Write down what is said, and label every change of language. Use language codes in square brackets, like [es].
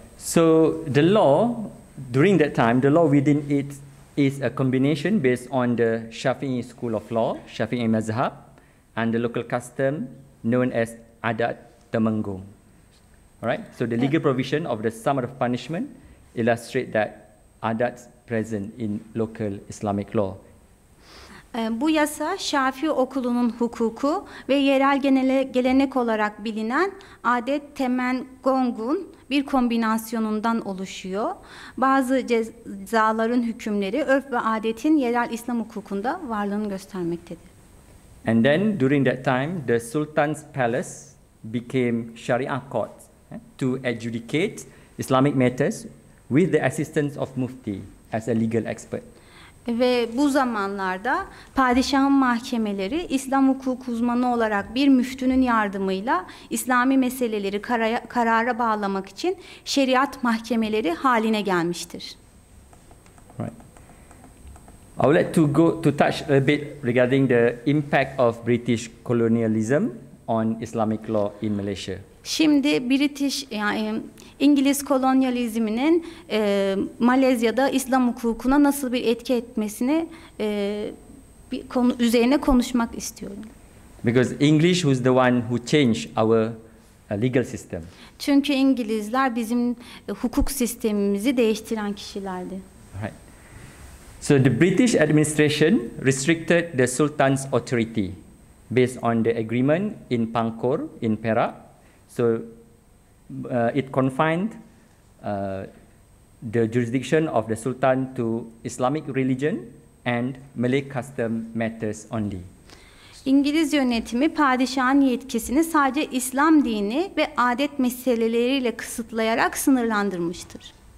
[en] So the law during that time, the law within it is a combination based on the Shafi'i school of law, Shafi'i mazhab, and the local custom known as adat temenggung. All right. So the legal provision of the sum of punishment illustrate that adat's present in local Islamic law. [tr] Bu yasa Şafii okulunun hukuku ve yerel gelenek olarak bilinen adet temenggung'un bir kombinasyonundan oluşuyor. Bazı cezaların hükümleri örf ve adetin yerel İslam hukukunda varlığını göstermektedir. [en] And then during that time the Sultan's palace became Sharia court to adjudicate Islamic matters with the assistance of Mufti as a legal expert. [tr] Ve bu zamanlarda padişahın mahkemeleri İslam hukuk uzmanı olarak bir müftünün yardımıyla İslami meseleleri karara bağlamak için şeriat mahkemeleri haline gelmiştir. [en] I would like to go to touch a bit regarding the impact of British colonialism on Islamic law in Malaysia. [tr] Şimdi British yani İngiliz kolonyalizminin Malezya'da İslam hukukuna nasıl bir etki etmesini bir konu üzerine konuşmak istiyorum. [en] Because English was the one who changed our legal system. [tr] Çünkü İngilizler bizim hukuk sistemimizi değiştiren kişilerdi. [en] So the British administration restricted the Sultan's authority based on the agreement in Pankur in Perak. So it confined the jurisdiction of the Sultan to Islamic religion and Malay custom matters only. [tr] İngiliz yönetimi padişahın yetkisini sadece İslam dini ve adet meseleleriyle kısıtlayarak sınırlandırmıştır.